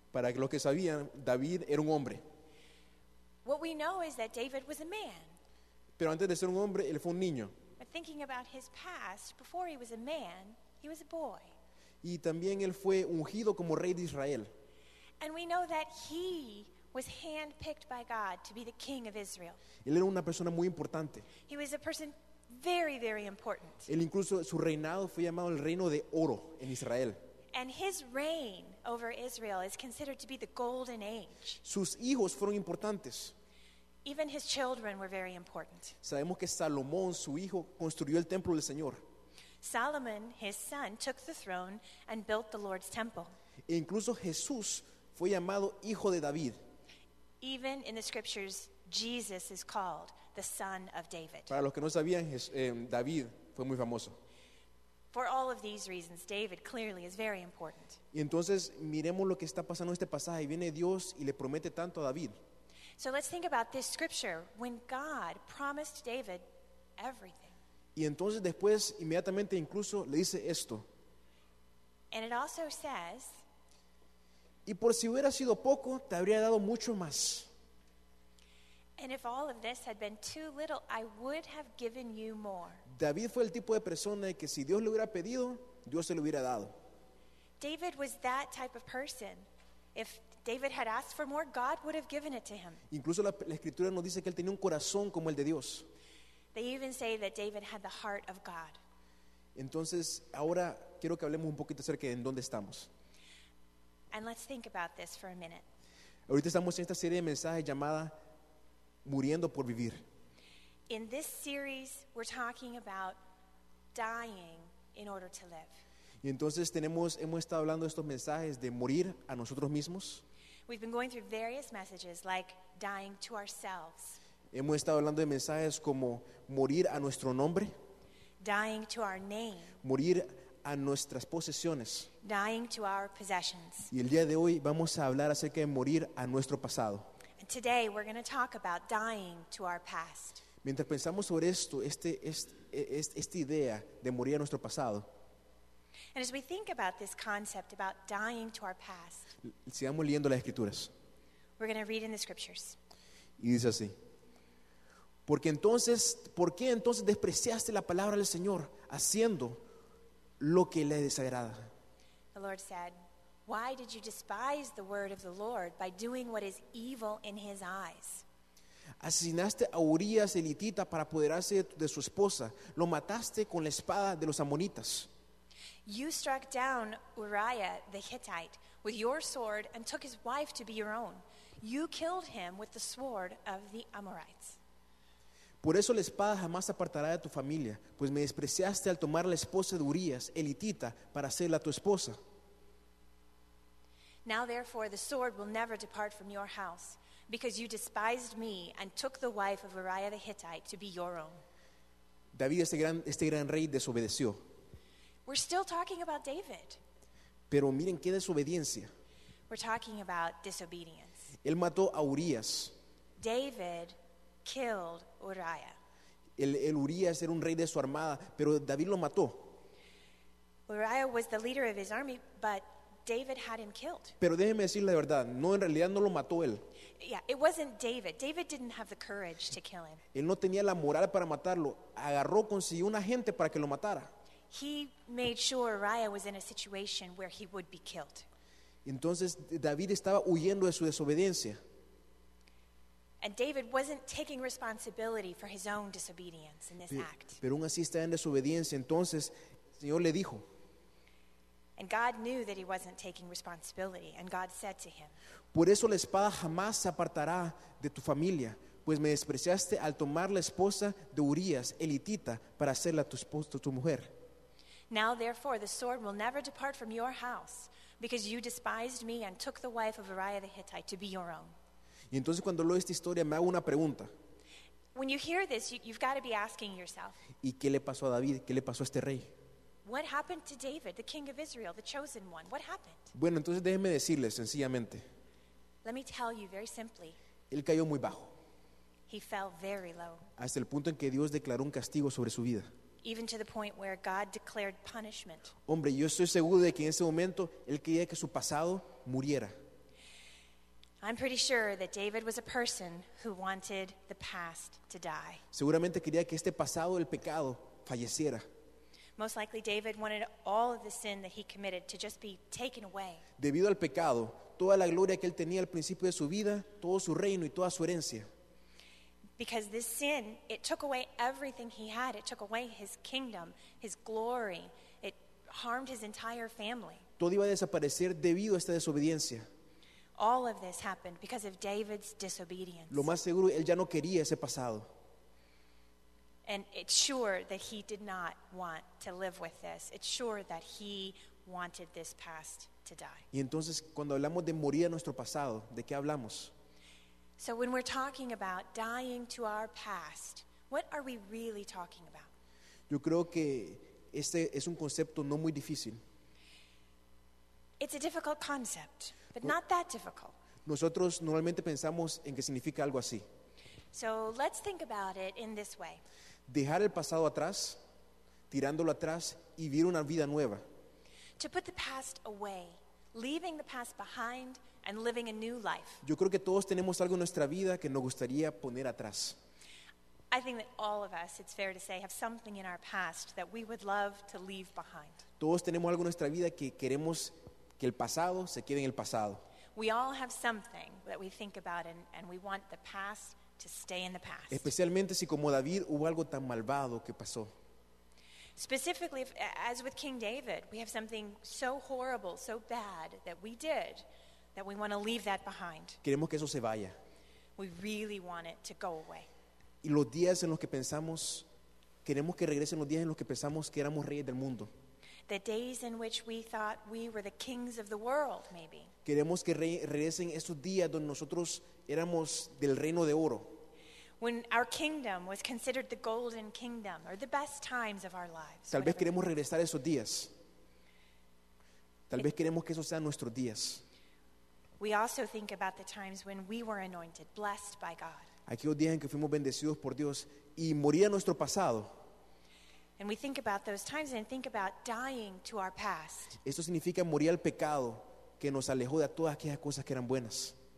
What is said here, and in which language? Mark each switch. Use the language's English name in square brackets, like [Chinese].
[Spanish] Para los que sabían, David era un hombre. [English] What we know is that David was a man. [Spanish] Pero antes de ser un hombre, él fue un niño. [English] But thinking about his past, before he was a man, he was a boy. [Spanish] Y también él fue ungido como rey de Israel. [English] And we know that he was handpicked by God to be the king of Israel. [Spanish] Él era una persona muy importante. [English] He was a person Very, very important. [Spanish] Él incluso su reinado fue llamado el reino de oro en Israel. [English] And his reign over Israel is considered to be the golden age. [Spanish] Sus hijos fueron importantes. [English] Even his children were very important. [Spanish] Sabemos que Salomón, su hijo, construyó el templo del Señor. [English] Solomon, his son, took the throne and built the Lord's temple. [Spanish] E incluso Jesús fue llamado hijo de David. [English] Even in the scriptures, Jesus is called the son of David. [Spanish] Para los que no sabían, David fue muy famoso. [English] For all of these reasons, David clearly is very important. [Spanish] Y entonces miremos lo que está pasando en este pasaje. Viene Dios y le promete tanto a David. [English] So let's think about this scripture when God promised David everything. [Spanish] Y entonces después inmediatamente incluso le dice esto. [English] And it also says, [Spanish] y por si hubiera sido poco, te habría dado mucho más. [English] And if all of this had been too little, I would have given you more. [Spanish] David fue el tipo de persona que si Dios le hubiera pedido, Dios se lo hubiera dado. [English] David was that type of person. If David had asked for more, God would have given it to him. [Spanish] Incluso la escritura nos dice que él tenía un corazón como el de Dios. [English] They even say that David had the heart of God. [Spanish] Entonces, ahora quiero que hablemos un poquito acerca de en dónde estamos. [English] And let's think about this for a minute. [Spanish] Ahorita estamos en esta serie de mensajes llamada Muriendo por Vivir. [English] In this series, we're talking about dying in order to live. [Spanish] Y entonces hemos estado hablando de estos mensajes de morir a nosotros mismos. [English] We've been going through various messages like dying to ourselves. [Spanish] Hemos estado hablando de mensajes como morir a nuestro nombre. [English] Dying to our name. [Spanish] Morir a nuestras posesiones. [English] Dying to our possessions. [Spanish] Y el día de hoy vamos a hablar acerca de morir a nuestro pasado. [English] And today we're going to talk about dying to our past. [Spanish] Mientras pensamos sobre esto, esta idea de morir a nuestro pasado. [English] And as we think about this concept about dying to our past, [Spanish] sigamos leyendo las escrituras. [English] We're going to read in the scriptures. [Spanish] Y dice así. ¿Por qué entonces despreciaste la palabra del Señor haciendo lo que le desagrada? [English] The Lord said, why did you despise the word of the Lord by doing what is evil in his eyes? [Spanish] Asesinaste a Urías el hitita para apoderarse de su esposa. Lo mataste con la espada de los amonitas. [English] You struck down Uriah the Hittite with your sword and took his wife to be your own. You killed him with the sword of the Amorites. [Spanish] Por eso la espada jamás apartará de tu familia, pues me despreciaste al tomar la esposa de Urías, el hitita, para hacerla tu esposa. [English] Now therefore the sword will never depart from your house, because you despised me and took the wife of Uriah the Hittite to be your own. [Spanish] David, este gran rey, desobedeció. [English] We're still talking about David. [Spanish] Pero miren qué desobediencia. [English] We're talking about disobedience. [Spanish] Él mató a Urías. [English] David killed Uriah. [Spanish] El Urías era un rey de su armada, pero David lo mató. [English] Uriah was the leader of his army, but David had him killed. [Spanish] Pero déjeme decir la verdad, no, en realidad no lo mató él. [English] Yeah, it wasn't David. David didn't have the courage to kill him. [Spanish] Él no tenía la moral para matarlo. Agarró, consiguió un agente para que lo matara. [English] He made sure Uriah was in a situation where he would be killed. [Spanish] Entonces David estaba huyendo de su desobediencia. [English] And David wasn't taking responsibility for his own disobedience in this act. [Spanish] Pero aún así estaba en desobediencia. Entonces el Señor le dijo. [English] And God knew that he wasn't taking responsibility, and God said to him. [Spanish] Por eso la espada jamás se apartará de tu familia, pues me despreciaste al tomar la esposa de Urías, el hitita, para hacerla tu esposa, tu mujer. [English] Now therefore the sword will never depart from your house, because you despised me and took the wife of Uriah the Hittite to be your own. [Spanish] Y entonces cuando leo esta historia me hago una pregunta. [English] When you hear this, you've got to be asking yourself. [Spanish] ¿Y qué le pasó a David? ¿Qué le pasó a este rey? [English] What happened to David, the king of Israel, the chosen one? What happened? [Spanish] Bueno, entonces déjeme decirles sencillamente. [English] Let me tell you very simply. [Spanish] Él cayó muy bajo. [English] He fell very low. [Spanish] Hasta el punto en que Dios declaró un castigo sobre su vida. [English] Even to the point where God declared punishment. [Spanish] Hombre, yo estoy seguro de que en ese momento él quería que su pasado muriera. [English] I'm pretty sure that David was a person who wanted the past to die. [Spanish] Seguramente quería que este pasado, el pecado, falleciera. [English] Most likely David wanted all of the sin that he committed to just be taken away. [Spanish] Debido al pecado, toda la gloria que él tenía al principio de su vida, todo su reino y toda su herencia. [English] Because this sin, it took away everything he had. It took away his kingdom, his glory. It harmed his entire family. [Spanish] Todo iba a desaparecer debido a esta desobediencia. [English] All of this happened because of David's disobedience. [Spanish] Lo más seguro, él ya no quería ese pasado. [English] And it's sure that he did not want to live with this. It's sure that he wanted this past to die. [Spanish] Y entonces, cuando hablamos de morir a nuestro pasado, ¿de qué hablamos? [English] So when we're talking about dying to our past, what are we really talking about? [Spanish] Yo creo que este es un concepto no muy difícil. [English] It's a difficult concept, but not that difficult. [Spanish] Nosotros normalmente pensamos en que significa algo así. [English] So let's think about it in this way. [Spanish] Dejar el pasado atrás, tirándolo atrás y vivir una vida nueva. [English] To put the past away, leaving the past behind and living a new life. [Spanish] Yo creo que todos tenemos algo en nuestra vida que nos gustaría poner atrás. [English] I think that all of us, it's fair to say, have something in our past that we would love to leave behind. [Spanish] Todos tenemos algo en nuestra vida que queremos que el pasado se quede en el pasado. [English] We all have something that we think about and we want the past to stay in the past. [Spanish] Especialmente si como David hubo algo tan malvado que pasó. [English] Specifically, as with King David, we have something so horrible, so bad that we did, that we want to leave that behind. [Spanish] Queremos que eso se vaya. [English] We really want it to go away. [Spanish] Y los días en los que pensamos, queremos que regresen los días en los que pensamos que éramos reyes del mundo. [English] The days in which we thought we were the kings of the world, maybe. [Spanish] Queremos que regresen esos días donde nosotros éramos del reino de oro. [English] When our kingdom was considered the golden kingdom or the best times of our lives. [Spanish] Tal vez queremos regresar esos días. Tal vez queremos que esos sean nuestros días. [English] We also think about the times when we were anointed, blessed by God. [Spanish] Aquellos días en que fuimos bendecidos por Dios y morir a nuestro pasado. [English] And we think about those times and think about dying to our past. [Spanish] Esto significa morir al pecado que nos alejó de todas aquellas cosas que eran buenas.